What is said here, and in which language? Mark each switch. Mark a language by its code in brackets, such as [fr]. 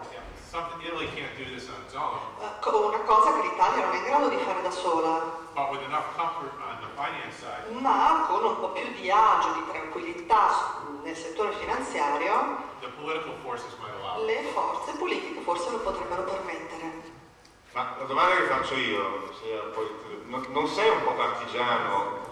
[en] Yeah, Italy can't do this on its own. [it] Una cosa che l'Italia non è in grado di fare da sola. [en] But with enough comfort on the finance side, [it] ma con un po' più di agio, di tranquillità nel settore finanziario, [en] the political forces might allow. [it] Le forze politiche forse lo potrebbero permettere. Ma la domanda che faccio io, se poi, non sei un po' partigiano?